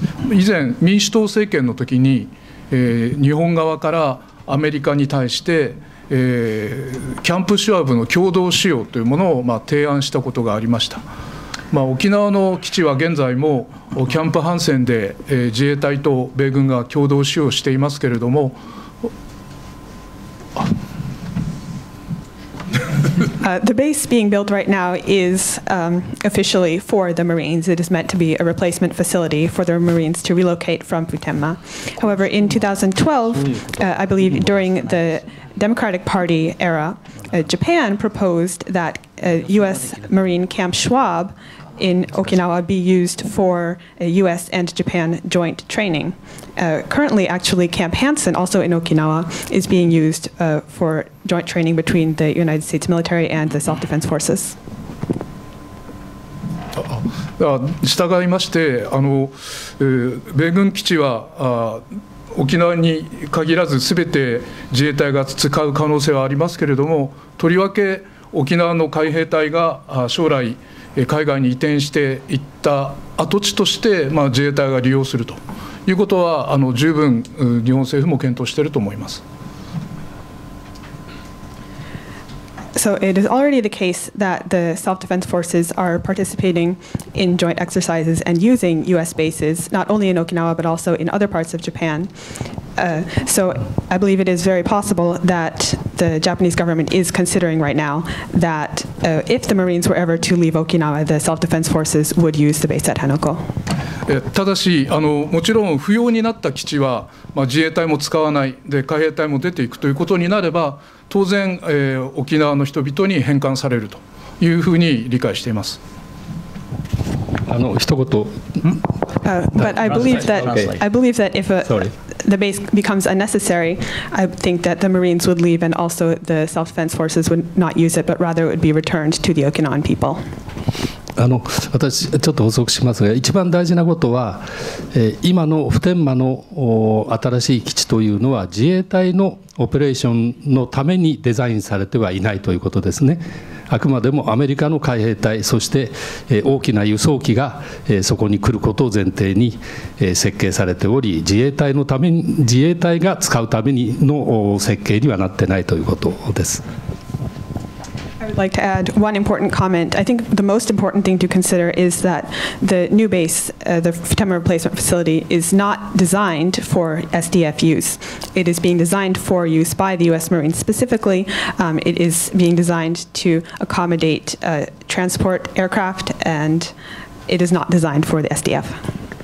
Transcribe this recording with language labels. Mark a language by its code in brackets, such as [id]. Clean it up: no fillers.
[ja] 以前民主党政権の時に、日本側からアメリカに対して、キャンプシュワブの共同使用というものを、まあ、提案したことがありました。まあ、沖縄の基地は現在もキャンプハンセンで自衛隊と米軍が共同使用していますけれども、 [en] The base being built right now is officially for the Marines. It is meant to be a replacement facility for the Marines to relocate from Futenma. However, in 2012, I believe during the Democratic Party era, Japan proposed that U.S. Marine Camp Schwab in Okinawa be used for U.S. and Japan joint training. Currently, actually, Camp Hansen, also in Okinawa, is being used for joint training between the United States military and the self-defense forces. [ja] したがいまして、米軍基地は沖縄に限らず全て自衛隊が使う可能性はありますけれども、とりわけ沖縄の海兵隊が将来海外に移転していった跡地として、自衛隊が利用するということは十分日本政府も検討していると思います。 [en] So it is already the case that the self-defense forces are participating in joint exercises and using U.S. bases, not only in Okinawa, but also in other parts of Japan. So I believe it is very possible that the Japanese government is considering right now that if the Marines were ever to leave Okinawa, the self-defense forces would use the base at Henoko. [ja] ただし、もちろん不要になった基地は、自衛隊も使わないで、海兵隊も出ていくということになれば、当然、沖縄の人々に返還されるというふうに理解しています。一言。 [en] But I believe that, okay. I believe that if a, the base becomes unnecessary, I think that the Marines would leave and also the self-defense forces would not use it, but rather it would be returned to the Okinawan people. [ja] 私、ちょっと補足しますが、一番大事なことは、今の普天間の新しい基地というのは、自衛隊のオペレーションのためにデザインされてはいないということですね。あくまでもアメリカの海兵隊、そして大きな輸送機がそこに来ることを前提に設計されており、自衛隊のために、自衛隊が使うためにの設計にはなってないということです。 [en] I would like to add one important comment. I think the most important thing to consider is that the new base, the Futenma replacement facility, is not designed for SDF use. It is being designed for use by the U.S. Marines specifically. It is being designed to accommodate transport aircraft, and it is not designed for the SDF.